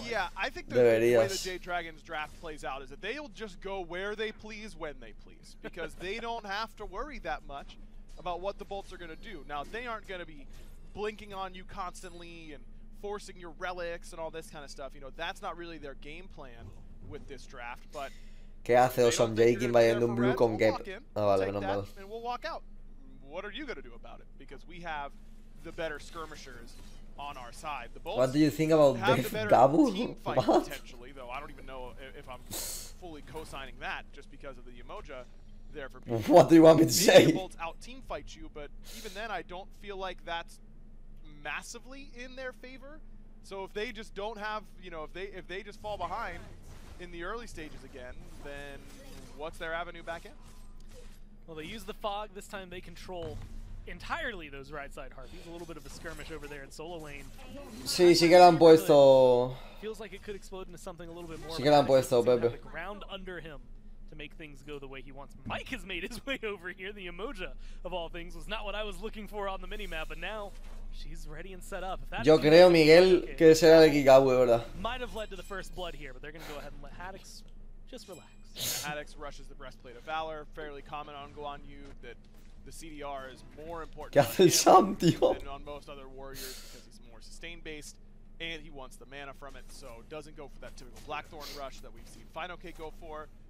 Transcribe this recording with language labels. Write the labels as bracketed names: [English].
[English] Yeah, I think the way the Jade Dragons draft plays out is that they'll just go where they please, when they please, because they don't have to worry that much about what the Bolts are going to do. Now, they aren't going to be blinking on you constantly and forcing your relics and all this kind of stuff. You know, that's not really their game plan with this draft, but... [Spanish] ¿Qué hace Awesome Jake invadiendo un blue con Gap? Ah, vale, menos mal. [English] And we'll walk out. What are you going to do about it? Because we have the better skirmishers on our side. The what do you think about this double? Potentially, though, I don't even know if I'm fully co-signing that just because of the Umoja there for people. What do you want me to say? The Bolts out-team fight you, but even then, I don't feel like that's massively in their favor. So if they just don't have, you know, if they just fall behind in the early stages again, then what's their avenue back in? Well, they use the fog. This time they control entirely those right side harpies. A little bit of a skirmish over there in solo lane. [Spanish] Sí, sí que lo han puesto. [English] Feels like it could explode into something a little bit more. [Spanish] Sí que lo han puesto, Pepe. [English] The ground under him to make things go the way he wants. Mike has made his way over here. The Umoja, of all things, was not what I was looking for on the minimap, but now she's ready and set up. [Spanish] Yo creo, Miguel, que será el Gigabue, ¿verdad? [English] Might have led to the first blood here, but they're going to go ahead and let Haddix just relax. Haddix rushes the breastplate of valor, fairly common on Guanyu that the CDR is more important. [Spanish] ¿Qué hace el Sam, tío? [English] Than on most other warriors because he's more sustain based and he wants the mana from it, so doesn't go for that typical Blackthorn rush that we've seen Fino Kate go for.